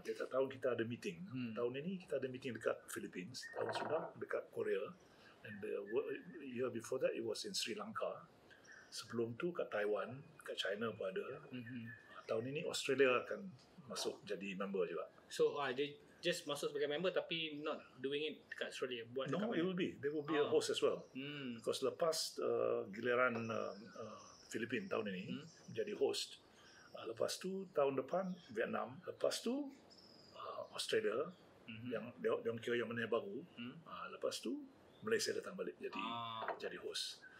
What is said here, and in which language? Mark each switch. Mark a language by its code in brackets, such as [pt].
[ms] Tiap-tiap tahun kita ada meeting. Tahun ini kita ada meeting dekat Philippines. Tahun sudah dekat Korea. [en] And the year before that, it was in Sri Lanka. [ms] Sebelum tu kat Taiwan, kat China pun ada. Tahun ini Australia akan masuk jadi member juga. So, just masuk sebagai member tapi [en] not doing it [ms] dekat Australia, buat dekat mana? [en] They will be a host as well. [ms] Because lepas giliran Philippines tahun ini jadi host, lepas tu tahun depan Vietnam, lepas tu Australia, yang diorang kira yang mana yang baru, lepas tu Malaysia datang balik jadi host.